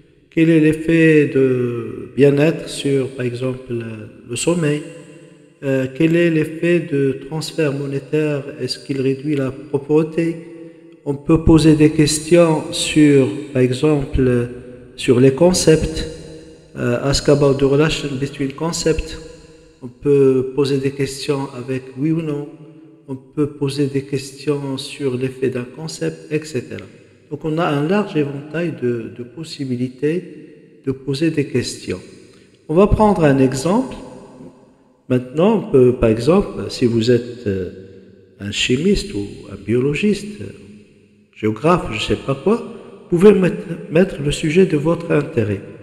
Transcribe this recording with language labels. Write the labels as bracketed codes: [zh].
[fr] Quel est l'effet de bien-être sur, par exemple, le sommeil? Quel est l'effet de transfert monétaire? Est-ce qu'il réduit la pauvreté? On peut poser des questions sur, par exemple, sur les concepts. [en] Ask about the relation between concepts. [fr] On peut poser des questions avec oui ou non. On peut poser des questions sur l'effet d'un concept, etc. Donc on a un large éventail de possibilités de poser des questions. On va prendre un exemple. Maintenant, on peut, par exemple, si vous êtes un chimiste ou un biologiste, géographe, je ne sais pas quoi, vous pouvez mettre le sujet de votre intérêt.